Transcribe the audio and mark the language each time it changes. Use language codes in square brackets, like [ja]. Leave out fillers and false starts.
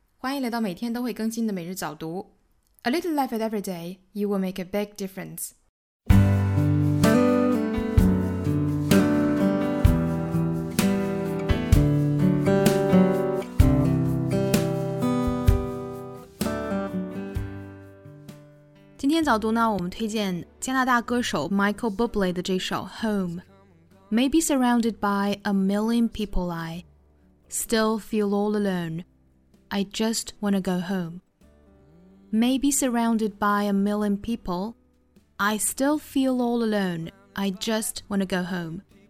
[zh] 欢迎来到每天都会更新的每日早读。 [en] A little life at every day, you will make a big difference. [zh] 今天早读呢，我们推荐加拿大歌手 Michael Bublé 的这首 Home. [en] Maybe surrounded by a million people I... Still feel all alone. I just want to go home. Maybe surrounded by a million people. I still feel all alone. I just want to go home.